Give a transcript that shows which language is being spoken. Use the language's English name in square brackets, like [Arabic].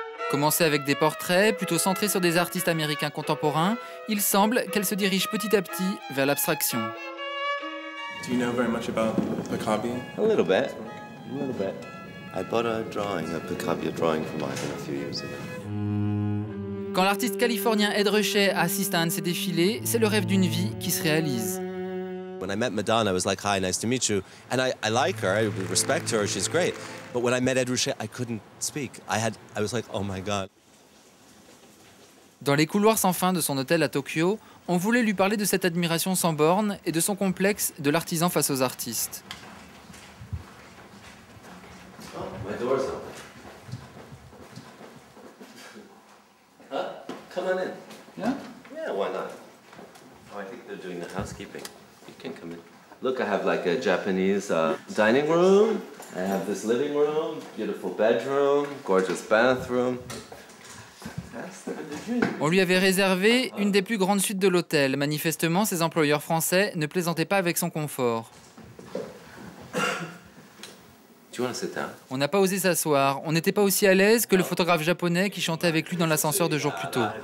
[French] Commencé avec des portraits, plutôt centrés sur des artistes américains contemporains, il semble qu'elle se dirige petit à petit vers l'abstraction. [English] Do you know very much about Picabi? A little bit, a little bit. I bought a drawing, a Picabia drawing from Ivan a few years ago. [French] Quand l'artiste californien Ed Rochet assiste à un de ses défilés, c'est le rêve d'une vie qui se réalise. [English] When I met Madonna, I was like, hi, nice to meet you. And I like her, I respect her, she's great. But when I met Ed Rochet, I couldn't speak. I was like, oh my God. [French] Dans les couloirs sans fin de son hôtel à Tokyo, on voulait lui parler de cette admiration sans bornes et de son complexe de l'artisan face aux artistes. [English] My door's open. Huh? Come on in. Yeah? Yeah, why not? Oh, I think they're doing the housekeeping. You can come in. Look, I have like a Japanese dining room. I have this living room, beautiful bedroom, gorgeous bathroom. [French] On lui avait réservé une des plus grandes suites de l'hôtel. Manifestement, ses employeurs français ne plaisantaient pas avec son confort. On n'a pas osé s'asseoir. On n'était pas aussi à l'aise que le photographe japonais qui chantait avec lui dans l'ascenseur 2 jours plus tôt.